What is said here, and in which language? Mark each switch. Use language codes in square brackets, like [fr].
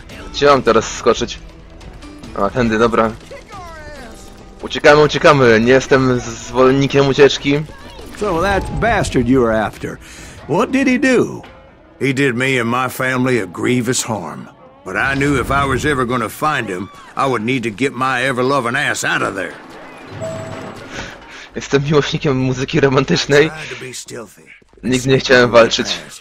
[pl] Gdzie mam teraz skoczyć? A, tędy, dobra. Uciekamy. Nie jestem zwolennikiem ucieczki. [en] So that bastard you were after, what did he do? He did me and my family a grievous harm. But I knew if I was ever gonna find him, I would need to get my ever-loving ass out of there. [pl] Jestem miłośnikiem muzyki romantycznej. Nigdy nie chciałem walczyć.